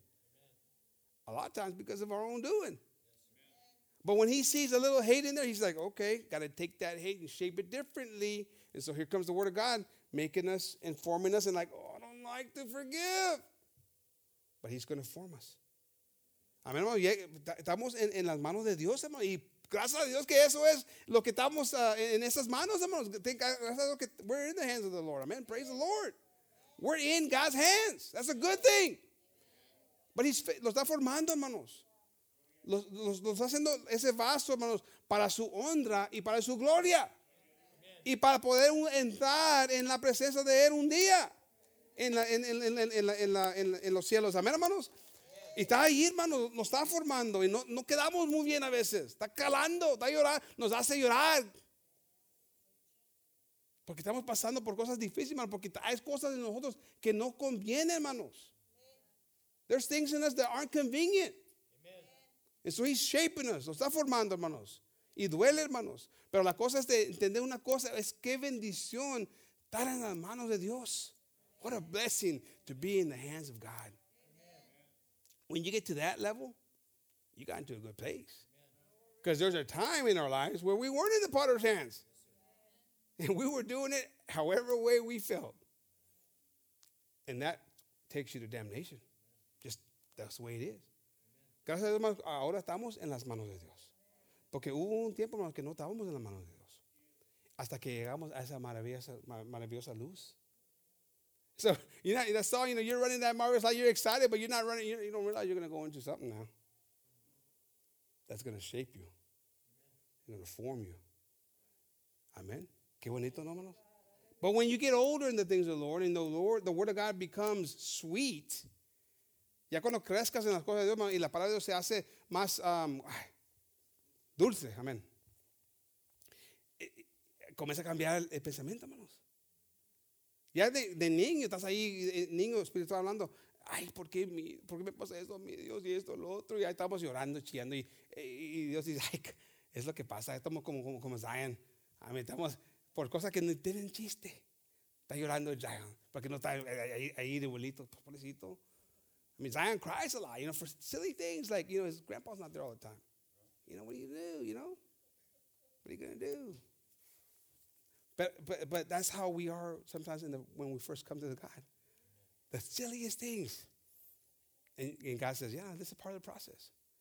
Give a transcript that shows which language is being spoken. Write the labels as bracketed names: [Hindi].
[English] Amen. A lot of times because of our own doing. Yes, but when he sees a little hate in there, he's like, okay, got to take that hate and shape it differently. And so here comes the word of God making us and forming us and like, oh, I don't like to forgive. But he's going to form us. [Spanish] Amén, hermano, estamos en las manos de Dios, hermano, y gracias a Dios que eso es lo que estamos en esas manos, hermano. Gracias a Dios que [English] we're in the hands of the Lord, amen, praise the Lord. We're in God's hands, that's a good thing. But he's, [Spanish] lo está formando, hermanos. Lo está haciendo ese vaso, hermanos, para su honra y para su gloria. Y para poder entrar en la presencia de él un día en los cielos, amén, hermanos. Y está ahí, hermano, nos está formando y no quedamos muy bien a veces. Está calando, está llorando, nos hace llorar. Porque estamos pasando por cosas difíciles, hermano, porque hay cosas en nosotros que no convienen, hermanos. [English] There's things in us that aren't convenient. Amen. And so he's shaping us, [Spanish] nos está formando, hermanos. Y duele, hermanos. Pero la cosa es de entender una cosa, es qué bendición estar en las manos de Dios. [English] What a blessing to be in the hands of God. When you get to that level, you got into a good place. Because there's a time in our lives where we weren't in the potter's hands. And we were doing it however way we felt. And that takes you to damnation. Just that's the way it is. [Spanish] Gracias a Dios, ahora estamos en las manos de Dios. Porque hubo un tiempo que no estábamos en las manos de Dios. Hasta que llegamos a esa maravillosa luz. [English] So, you know, that song, you know, you're running that marvelous light, you're excited, but you're not running, you don't realize you're going to go into something now that's going to shape you. It's going to form you. Amen. [Spanish] Qué bonito, ¿no, hermanos? [English] But when you get older in the things of the Lord, and the Lord, the word of God becomes sweet, [Spanish] ya cuando crezcas en las cosas de Dios, y la palabra de Dios se hace más dulce, [English] amen. [Spanish] Comienza a cambiar el pensamiento, hermano. Ya de niño, estás ahí, niño espiritual hablando. Ay, ¿por qué me pasa esto, mi Dios, y esto, lo otro? Y ahí estamos llorando, chillando. Y Dios dice, ay, es lo que pasa. Estamos como Zion. A mí estamos por cosas que no tienen chiste. Está llorando Zion. Porque no está ahí de abuelito, pobrecito. [English] I mean, Zion cries a lot, you know, for silly things like, you know, his grandpa's not there all the time. You know, what do you do, you know? What are you going to do? But that's how we are sometimes in the, when we first come to the God. The silliest things. And God says, yeah, this is part of the process.